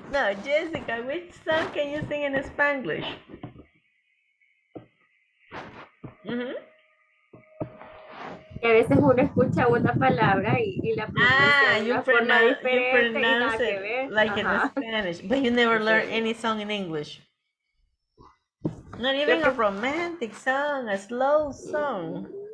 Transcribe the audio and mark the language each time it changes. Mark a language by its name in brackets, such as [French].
[English] No, Jessica, which song can you sing in Spanglish? Mm-hmm. [Spanish] Y a veces uno escucha una palabra y la pronuncia de una forma diferente y nada que ver. [English] Like uh-huh. In Spanish, but you never learn any song in English. Not even a romantic song, a slow song.